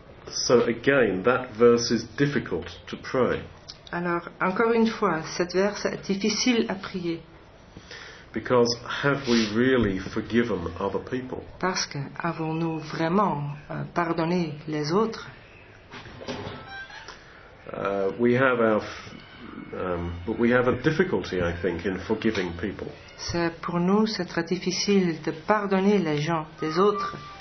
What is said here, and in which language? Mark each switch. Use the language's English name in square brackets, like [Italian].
[English] So again, that verse is difficult to pray. [French] Alors, encore une fois, cette verse est difficile à prier. [English] Because have we really forgiven other people? [French] Parce que avons-nous vraiment pardonné les autres? [English] But we have a difficulty, I think, in forgiving people. [French] C'est pour nous, c'est très difficile de pardonner les gens, les autres.